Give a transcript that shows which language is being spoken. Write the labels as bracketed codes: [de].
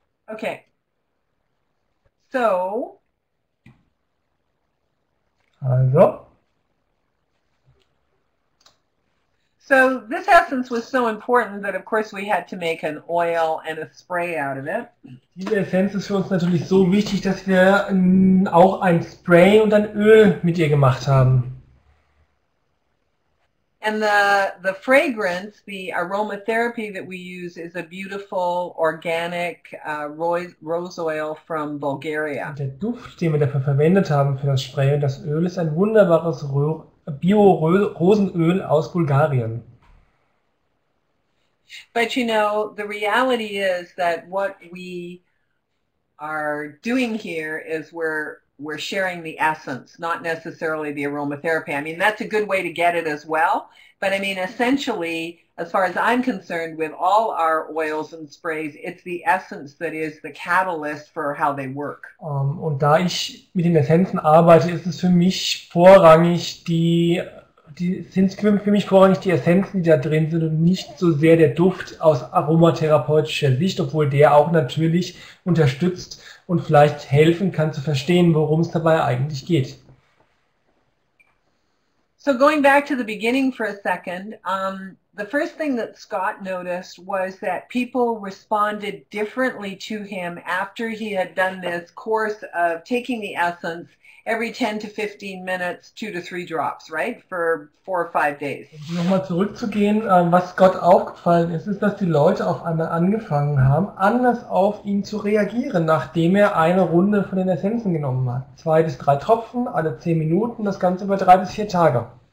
[en] Okay, so [de] Also. [en] this essence was so important that of course we had to make an oil and a spray out of it. [de] Diese Essenz ist für uns natürlich so wichtig, dass wir auch ein Spray und ein Öl mit ihr gemacht haben. [en] And the fragrance, the aromatherapy that we use is a beautiful organic rose oil from Bulgaria. [de] Der Duft, den wir dafür verwendet haben für das Spray und das Öl, ist ein wunderbares Bio-Rosenöl aus Bulgarien. [en] But you know, the reality is that what we are doing here is we're sharing the essence, not necessarily the aromatherapy. I mean, that's a good way to get it as well. But I mean, essentially, as far as I'm concerned with all our oils and sprays, it's the essence that is the catalyst for how they work. [de] Und da ich mit den Essenzen arbeite, ist es für mich vorrangig sind für mich vorrangig die Essenzen, die da drin sind und nicht so sehr der Duft aus aromatherapeutischer Sicht, obwohl der auch natürlich unterstützt und vielleicht helfen kann zu verstehen, worum es dabei eigentlich geht. [en] So going back to the beginning for a second, the first thing that Scott noticed was that people responded differently to him after he had done this course of taking the essence every 10 to 15 minutes, 2 to 3 drops, right, for 4 or 5 days. [de] Um nochmal zurückzugehen, was Scott aufgefallen ist, ist, dass die Leute auf einmal angefangen haben, anders auf ihn zu reagieren, nachdem er eine Runde von den Essenzen genommen hat. 2 bis 3 Tropfen, alle 10 Minuten, das Ganze über 3 bis 4 Tage.